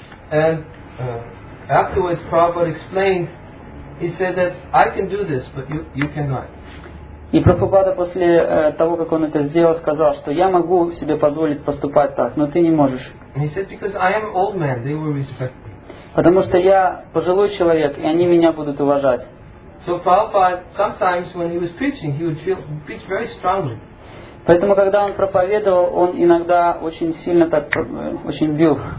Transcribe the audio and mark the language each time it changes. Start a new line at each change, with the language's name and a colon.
English: And afterwards Prabhupada explained, he said that I can do this, but you cannot.
Russian: И Прабхупада после того, как он это сделал, сказал, что я могу себе позволить поступать так, но ты не можешь.
English: He said, because I am old man, they will respect me.
Russian: Потому что я пожилой человек, и они меня будут уважать.
English: So Prabhupada, sometimes when he was preaching, he would preach very strongly.
Russian: Поэтому, когда он проповедовал, он иногда очень сильно так, очень бил.